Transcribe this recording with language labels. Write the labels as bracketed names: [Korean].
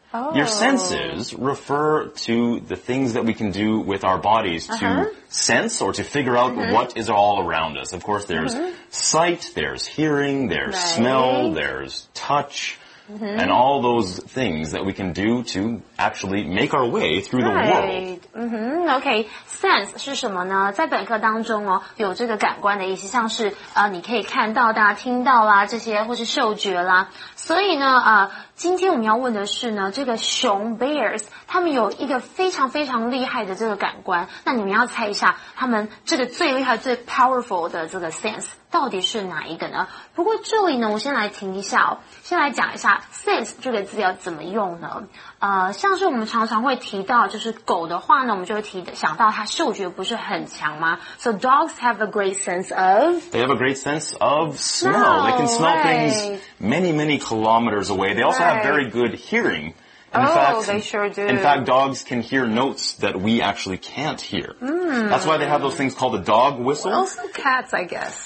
[English] Your senses refer to the things that we can do with our bodies to sense or to figure out what is all around us. Of course, there's sight, there's hearing, there's smell, there's touch, and all those things that we can do to actually make our way through the world. [Chinese] Okay, sense 是什么呢？在本课当中哦，有这个感官的意思，像是你可以看到的、听到啦这些，或是嗅觉啦。所以呢，今天我们要问的是呢，这个熊 bears 他们有一个非常非常厉害的这个感官。那你们要猜一下，他们这个最厉害、最 powerful 的这个 sense 到底是哪一个呢？不过这里呢，我先来停一下哦，先来讲一下 sense 这个字要怎么用呢？像是我们常常会提到就是狗的话呢，我们就会提想到它嗅觉不是很强吗？ [English] So dogs have a great sense of... They have a great sense of smell. They can smell things many, many kilometers away. They also have very good hearing. In fact, they sure do. In fact, dogs can hear notes that we actually can't hear. Mm. That's why they have those things called a dog whistle. Well, also cats, I guess.